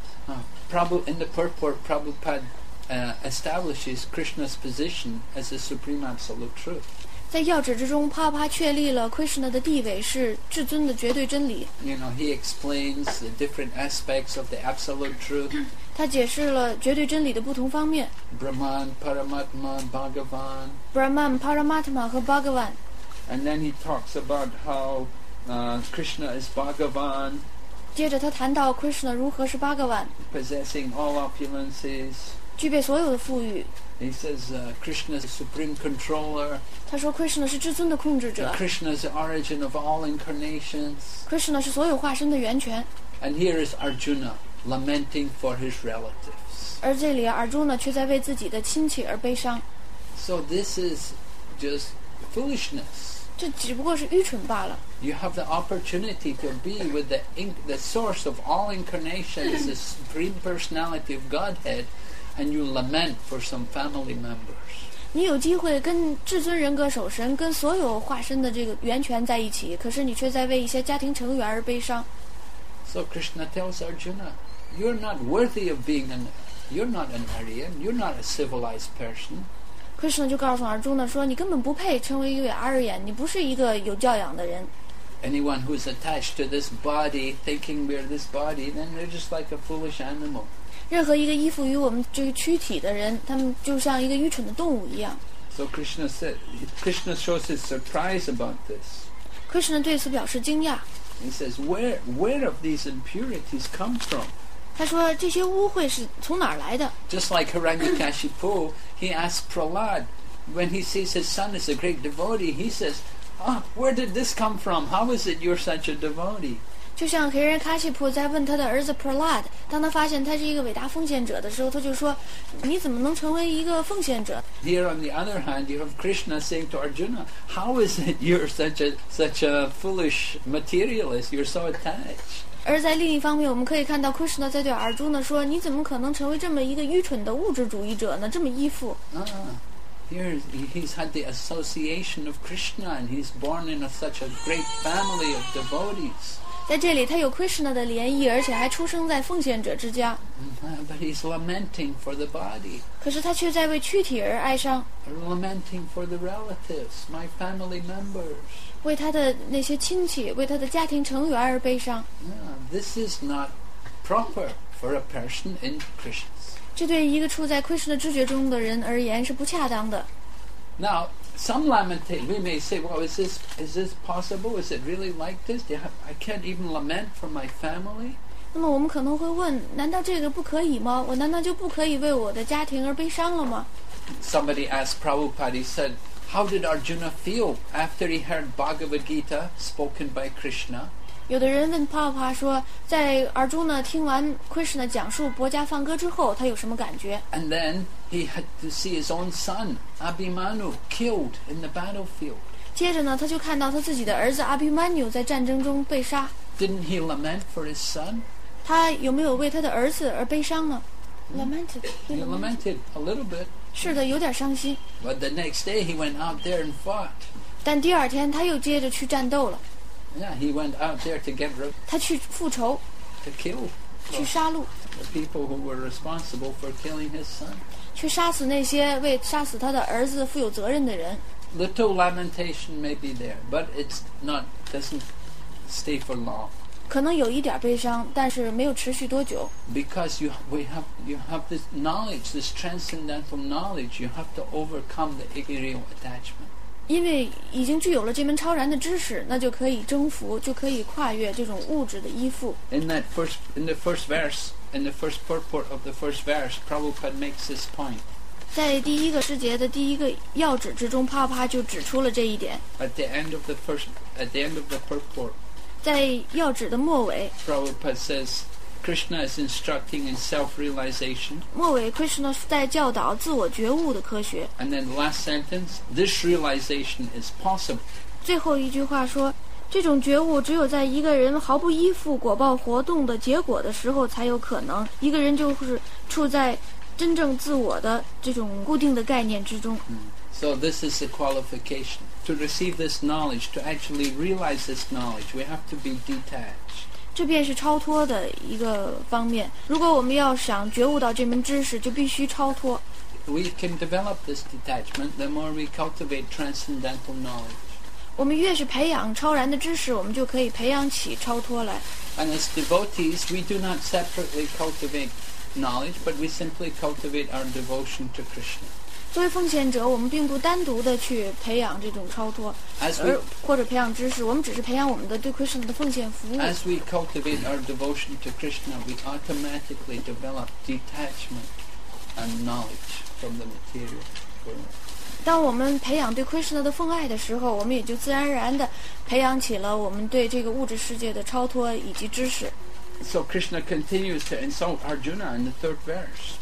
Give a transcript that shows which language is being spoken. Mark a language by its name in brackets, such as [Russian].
[English] In the purport, Prabhupada establishes Krishna's position as the supreme absolute truth. [Chinese] 在要旨之中帕帕确立了 Krishna 的地位是至尊的绝对真理 [English] you know, he explains the different aspects of the absolute truth [Chinese] 他解释了绝对真理的不同方面 [English] Brahman, Paramatman, Bhagavan [Chinese] Brahman, Paramatma 和 Bhagavan [English] and then he talks about howKrishna is Bhagavan [Chinese] 接着他谈到 Krishna 如何是 Bhagavan [English] possessing all opulences [Chinese] 具备所有的富裕 [English] He says, Krishna is the supreme controller. [Chinese] 他说 Krishna 是至尊的控制者。 [English] Krishna is the origin of all incarnations. [Chinese] Krishna 是所有化身的源泉。 [English] And here is Arjuna lamenting for his relatives. [Chinese] 而这里 Arjuna 却在为自己的亲戚而悲伤。 [English] So this is just foolishness. [Chinese] 这只不过是愚蠢罢了。 [English] You have the opportunity to be with the source of all incarnations, the supreme personality of Godhead. And you lament for some family members. [Chinese] 你有机会跟至尊人格守神，跟所有化身的这个源泉在一起，可是你却在为一些家庭成员而悲伤。 [English] So Krishna tells Arjuna, "You're not worthy of being an, you're not an Aryan, you're not a civilized person." [Chinese] Krishna 就告诉 Arjuna 说，你根本不配成为一位 Aryan， 你不是一个有教养的人。 [English] Anyone who's attached to this body, thinking we're this body, then they're just like a foolish animal. [Chinese] 任何一个依附于我们这个躯体的人他们就像一个愚蠢的动物一样 [English] So Krishna said Krishna shows his surprise about this [Chinese] Krishna 对此表示惊讶 [English] He says where have these impurities come from [Chinese] 他说这些污秽是从哪儿来的 [English] Just like Hiranyakashipu He asked Prahlad When he sees his son is a great devotee He says Ah, where did this come from How is it you're such a devotee [Chinese] 就像黑人卡西普在问他的儿子 Prahlad 当他发现他是一个伟大奉献者的时候他就说你怎么能成为一个奉献者 [English] Here on the other hand you have Krishna saying to Arjuna How is it you're such a foolish materialist You're so attached [Chinese] 而在另一方面我们可以看到 Krishna 在对 Arjuna 说你怎么可能成为这么一个愚蠢的物质主义者呢这么依附、 [English] Here he's had the association of Krishna And he's born in such a great family of devotees [Chinese] 在这里他有 Krishna 的涟漪而且还出生在奉献者之家 [English] But he's lamenting for the body [Chinese] 可是他却在为躯体而哀伤 [English] Lamenting for the relatives, my family members [Chinese] 为他的那些亲戚为他的家庭成员而悲伤 [English] This is not proper for a person in Krishna's [Chinese] 这对一个处在 Krishna 知觉中的人而言是不恰当的 [English] NowSome lamentation, we may say, well, is this possible? Is it really like this? I can't even lament for my family. [Chinese] 那么我们可能会问，难道这个不可以吗？我难道就不可以为我的家庭而悲伤了吗？ [English] Somebody asked Prabhupada, he said, how did Arjuna feel after he heard Bhagavad Gita spoken by Krishna? [Chinese] 有的人问帕帕说，在 Arjuna 听完 Krishna 讲述薄伽梵歌之后，他有什么感觉？ [English] And then,He had to see his own son, Abhimanyu, killed in the battlefield. [Chinese] 接着呢，他就看到他自己的儿子 Abhimanyu 在战争中被杀。 [English] Didn't he lament for his son? [Chinese] 他有没有为他的儿子而悲伤呢？ [English] Lamented. He lamented a little bit. [Chinese] 是的，有点伤心。 [English] But the next day he went out there and fought. [Chinese] 但第二天他又接着去战斗了。 [English] Yeah, he went out there to get revenge. [Chinese] 他去复仇。 [English] To kill. [Chinese] 去杀戮。 [English] The people who were responsible for killing his son. [Chinese] 去杀死那些为杀死他的儿子负有责任的人。 [English] Little lamentation may be there, but it's not doesn't stay for long. [Chinese] 可能有一点悲伤，但是没有持续多久。 [English] Because you have this knowledge, this transcendental knowledge, you have to overcome the ignorant attachment. [Chinese] 因为已经具有了这门超然的知识，那就可以征服，就可以跨越这种物质的依附。 [English] In the first purport of the first verse, Prabhupada makes this point. [Chinese] 在第一个诗节的第一个要旨之中，帕帕就指出了这一点。 [English] At the end of the purport, [Chinese] 在要旨的末尾 [English] ，Prabhupada says, "Krishna is instructing in self-realization." [Chinese] 末尾 ，Krishna 在教导自我觉悟的科学。 [English] And then the last sentence, "This realization is possible." [Chinese] 最后一句话说。这种觉悟只有在一个人毫不依附果报活动的结果的时候才有可能一个人就是处在真正自我的这种固定的概念之中、 [English] So this is the qualification To receive this knowledge To actually realize this knowledge We have to be detached [Chinese] 这便是超脱的一个方面如果我们要想觉悟到这门知识就必须超脱 [English] we can develop this detachment, the more we cultivate transcendental knowledge. [Chinese] 我们越是培养超然的知识，我们就可以培养起超脱来。 [English] And as devotees, we do not separately cultivate knowledge, but we simply cultivate our devotion to Krishna. [Chinese] 作为奉献者，我们并不单独的去培养这种超脱，或者培养知识，我们只是培养我们的对 Krishna 的奉献服务。 [English] As we cultivate our devotion to Krishna, we automatically develop detachment and knowledge from the material world. [Chinese] 当我们培养对 Krishna 的奉爱的时候，我们也就自然而然地培养起了我们对这个物质世界的超脱以及知识。 [English] So Krishna continues to insult Arjuna in the third verse.